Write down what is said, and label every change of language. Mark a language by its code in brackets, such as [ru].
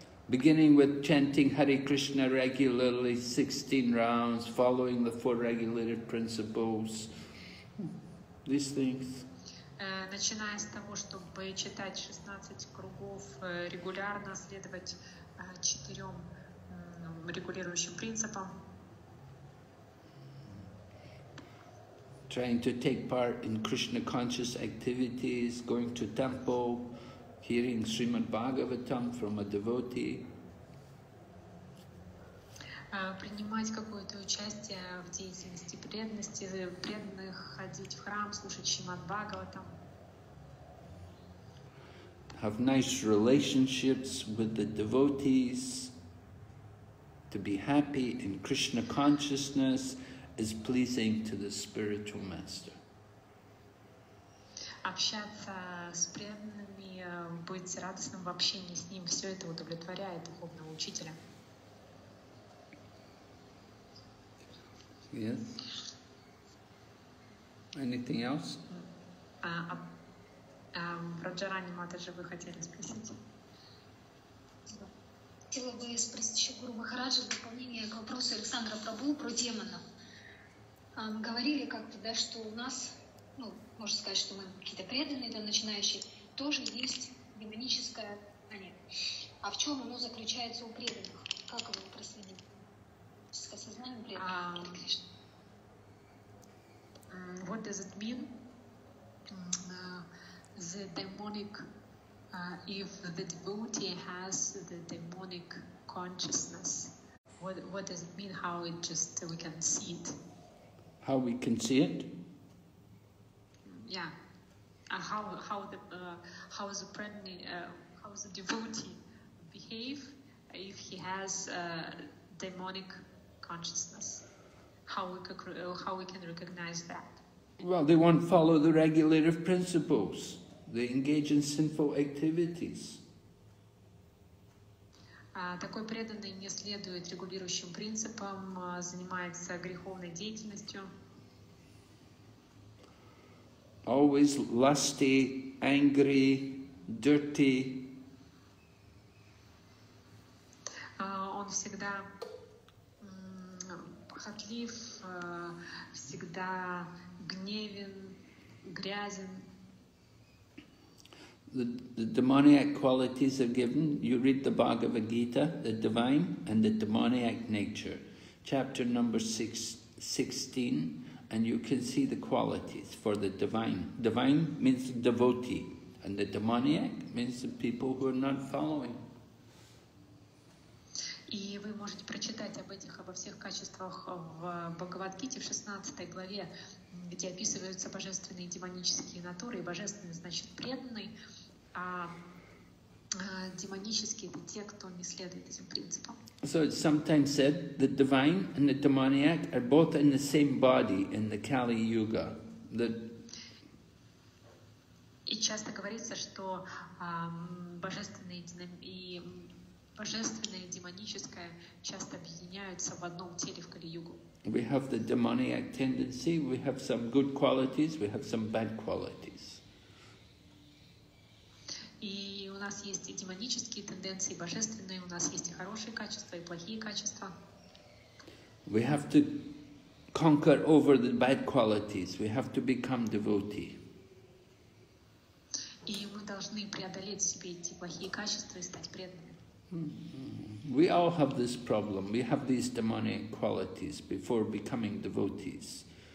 [en] Beginning with chanting Hare Krishna regularly, 16 rounds, following the four regulative principles. These things. [ru] Начиная с того, чтобы читать 16 кругов регулярно, следовать четырем регулирующим принципам. [en] Trying to take part in Krishna conscious activities, going to temple, hearing Srimad Bhagavatam from a devotee. [ru] Принимать какое-то участие в деятельности преданности, преданных, ходить в храм, слушать Шримад Бхагаватам. [en] Have nice relationships with the devotees, to be happy in Krishna consciousness. Is pleasing to the spiritual master. [ru] Общаться с преданными, быть радостным в общении с ним, все это удовлетворяет духовного учителя. [en] Yes. Anything else? [ru] Раджарани Матаджи, вы хотели спросить? Хотела бы спросить еще Гуру Махараджа в дополнение к вопросу Александра Прабу про демонов. Говорили как-то, да, что у нас, ну, можно сказать, что мы какие-то преданные, да, начинающие, тоже есть демоническое, а нет. А в чем оно заключается у преданных? Как его проследить? Сознание преданных, Кришна. [en] What does it mean? The demonic, if the devotee has the demonic consciousness, what does it mean, how it just, we can see it? How we can see it? Yeah. How the devotee behave if he has demonic consciousness? How we can recognize that? Well, they won't follow the regulative principles. They engage in sinful activities. [ru] Такой преданный не следует регулирующим принципам, занимается греховной деятельностью. [en] Always lusty, angry, dirty. [ru] Он всегда похотлив, всегда гневен, грязен. [en] The demoniac qualities are given. You read the Bhagavad Gita, the divine and the demoniac nature, chapter number 16, and you can see the qualities for the divine. Divine means the devotee, and the demoniac means the people who are not following. [ru] И вы можете прочитать об этих, обо всех качествах в Бхагавад-гите в 16 главе, где описываются божественные и демонические натуры. И божественный значит преданный, а демонические — это те, кто не следует этим принципам. [en] So it's sometimes said the divine and the demoniac are both in the same body in the Kali Yuga. [ru] И часто говорится, что божественные и божественное и демоническое часто объединяются в одном теле, в Кали-Югу. [en] We have the demoniac tendency, we have some good qualities, we have some bad qualities. [ru] И у нас есть и демонические тенденции, и божественные, у нас есть и хорошие качества, и плохие качества. [en] We have to conquer over the bad qualities, we have to become devotee. [ru] И мы должны преодолеть в себе эти плохие качества и стать преданными. [en] We all have this problem. We have these demonic qualities before becoming devotees.